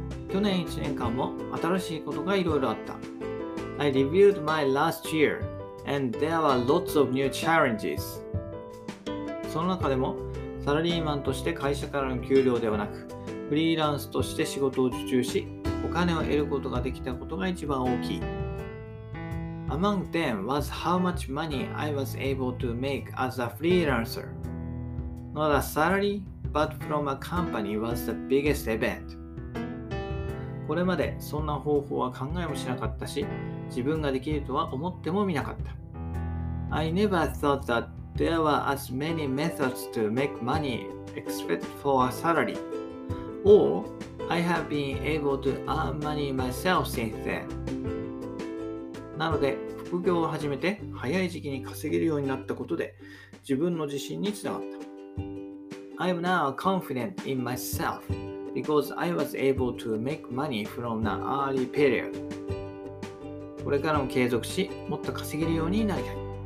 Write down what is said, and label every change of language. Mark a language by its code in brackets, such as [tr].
[ja] 去年1年間も新しいことがいろいろあった。 [en] I reviewed my last year, and there were lots of new challenges. [ja] その中でも、サラリーマンとして会社からの給料ではなく、フリーランスとして仕事を受注し、お金を得ることができたことが一番大きい。 [en] Among them was how much money I was able to make as a freelancer. Not a salary, but from a company was the biggest event. [ja] これまでそんな方法は考えもしなかったし、自分ができるとは思ってもみなかった。 [en] I never thought that there were as many methods to make money except for a salary. Or, I have been able to earn money myself since then. [ja] なので、副業を始めて早い時期に稼げるようになったことで、自分の自信につながった。 [en] I'm now confident in myself because I was able to make money from an early period. [ja] これからも継続し、もっと稼げるようになりたい。